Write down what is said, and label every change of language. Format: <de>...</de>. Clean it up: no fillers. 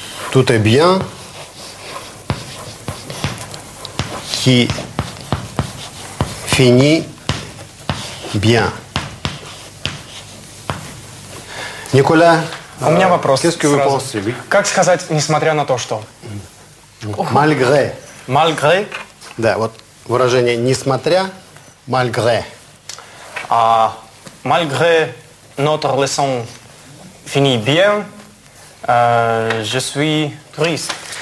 <fr>Tout est bien qui finit bien. Nicolas,</fr> <ru>у меня вопрос.</ru> <fr>Qu'est-ce que</fr> <ru>сразу. Вы</ru> <fr>pensez, oui?</fr> <ru>Как сказать, несмотря на то, что?</ru> <fr>Malgré. Malgré?</fr> <ru>Да, вот выражение несмотря, malgré.</ru> <fr>А malgré notre leçon finit bien, je suis triste.</fr>